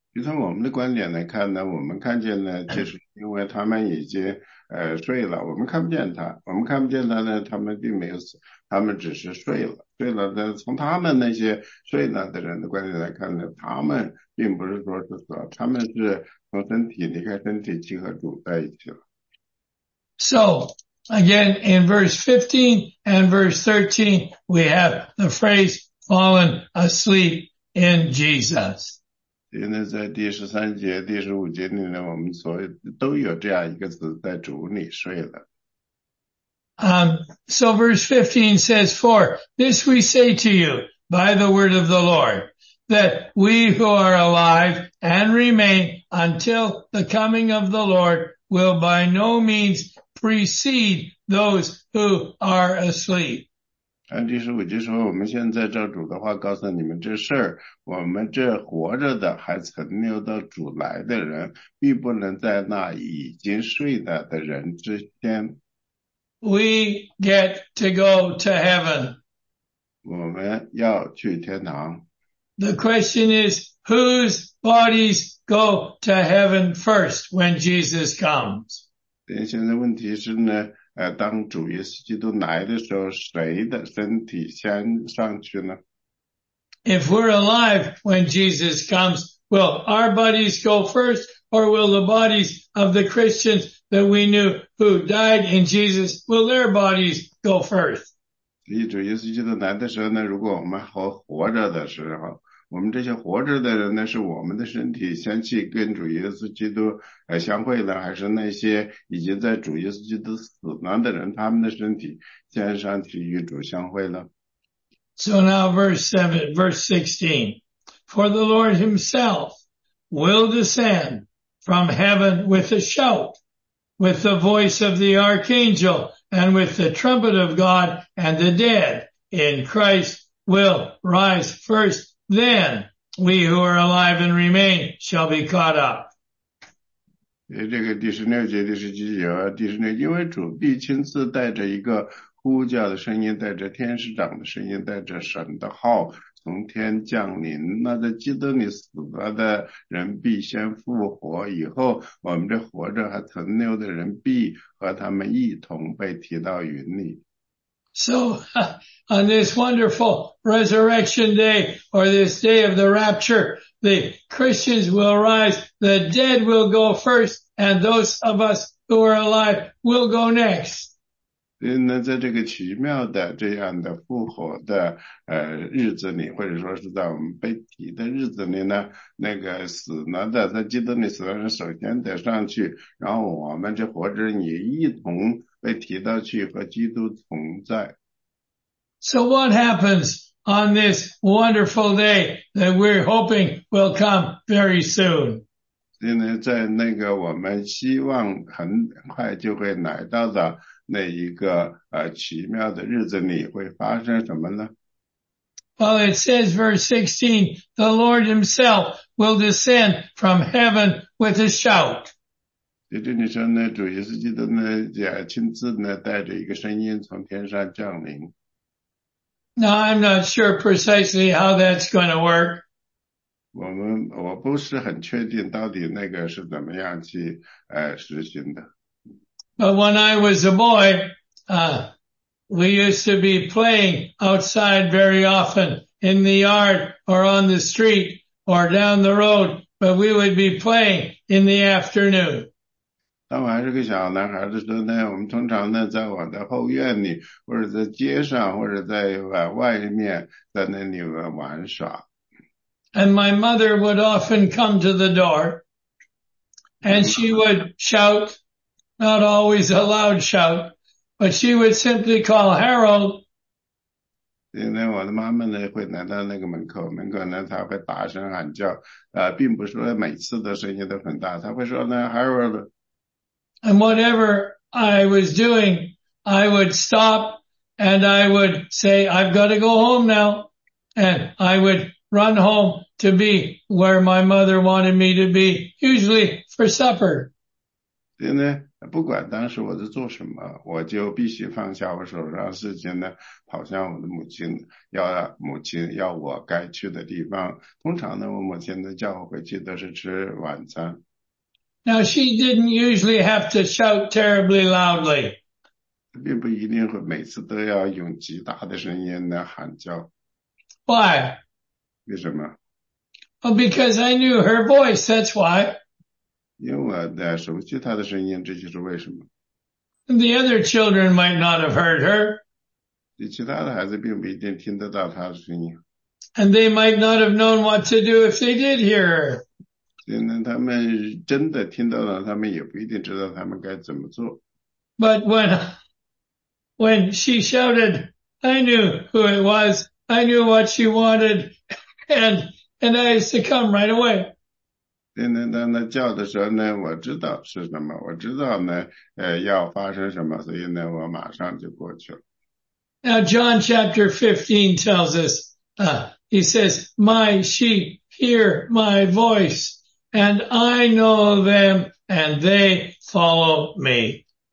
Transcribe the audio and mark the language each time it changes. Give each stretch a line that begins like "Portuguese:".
Chinese: 就从我们的观点来看呢，我们看见呢，就是因为他们已经睡了，我们看不见他，我们看不见他呢，他们并没有死，他们只是睡了，睡了呢。从他们那些睡了的人的观点来看呢，他们并不是说是死了，他们是从身体离开身体去和主在一起了。
English: So again, in verse 15 and verse 13, we have the phrase fallen asleep in Jesus.
Chinese: 现在在第十三节、第十五节里呢，我们所有都有这样一个词，在主里睡了。
English: So verse 15 says, "For this we say to you by the word of the Lord, that we who are alive and remain until the coming of the Lord will by no means precede those who are asleep."
Chinese: 安第十五节说，我们现在照主的话告诉你们这事儿，我们这活着的还存留到主来的人，必不能在那已经睡了的人之间。
English: We get to go to heaven.
Chinese: 我们要去天堂。
English: The question is, whose bodies go to heaven first when Jesus comes?
Chinese: 现在问题是呢，当主耶稣基督来的时候，谁的身体先上去呢？
English: If we're alive when Jesus comes, will our bodies go first, or will the bodies of the Christians that we knew who died in Jesus, will their bodies go first?
Chinese: 所以主耶稣基督来的时候呢，如果我们还活着的时候，我们这些活着的人呢，是我们的身体先去跟主耶稣基督相会呢，还是那些已经在主耶稣基督死了的人，他们的身体先上去与主相会呢？
English: So now verse 16. For the Lord himself will descend from heaven with a shout, with the voice of the archangel, and with the trumpet of God, and the dead in Christ will rise first. Then we who are alive and remain shall be caught up.
Chinese: 这个第十六节第十七节啊，第十六，因为主必亲自带着一个呼叫的声音，带着天使长的声音，带着神的号从天降临。那在基督里死了的人必先复活，以后我们这活着还存留的人必和他们一同被提到云里。
English: So, on this wonderful resurrection day, or this day of the rapture, the Christians will rise, the dead will go first, and those of us who are alive will go next.
Chinese: 所以呢，在这个奇妙的这样的复活的日子里，或者说是在我们被提的日子里呢，那个死了的在基督里死的人首先得上去，然后我们这活着人也一同被提到去和基督同在。
English: So what happens on this wonderful day that we're hoping will come very soon?
Chinese: 所以呢，在那个我们希望很快就会来到的那一个奇妙的日子里，会发生什么呢？
English: Well, it says verse 16, the Lord himself will descend from heaven with a shout.
Chinese: 就这里说呢，主耶稣基督呢，亲自呢，带着一个声音从天上降临。
English: Now, I'm not sure precisely how that's going to work.
Chinese: 我不是很确定到底那个是怎么样去实行的。
English: But when I was a boy, we used to be playing outside very often in the yard or on the street or down the road, but we would be playing in the afternoon.
Chinese: 当我还是个小男孩的时候呢，我们通常呢在我的后院里，或者在街上，或者在外面，在那里玩耍。
English: And my mother would often come to the door, and she would shout, not always a loud shout, but she would simply call Harold.
Chinese: 因为我的妈妈呢会来到那个门口，门口呢她会大声喊叫，并不是说每次的声音都很大，她会说呢 Harold。
English: And whatever I was doing, I would stop and I would say, I've got to go home now. And I would run home to be where my mother wanted me to be, usually for supper.
Chinese: 对呢，不管当时我在做什么，我就必须放下我手上事情呢，跑向我的母亲，要母亲要我该去的地方。通常呢，我母亲呢叫我回去都是吃晚餐。
English: Now, she didn't usually have to shout terribly loudly.
Chinese: 并不一定会每次都要用极大的声音来喊叫。
English: Why?
Chinese: 为什么？
English: Well, because I knew her voice, that's why.
Chinese: 因为我熟悉她的声音，这就是为什么。
English: And the other children might not have heard her.
Chinese: 其他的孩子并不一定听得到她的声音。
English: And they might not have known what to do if they did hear her.
Chinese: 所以呢，他们真的听到了，他们也不一定知道他们该怎么做。
English: But when she shouted, I knew who it was, I knew what she wanted, and I used to come right away.
Chinese: 所以呢，当他叫的时候呢，我知道是什么，我知道呢，要发生什么，所以呢，我马上就过去了。
English: Now, John chapter 15 tells us, he says, my sheep hear my voice, and I know them, and they follow me.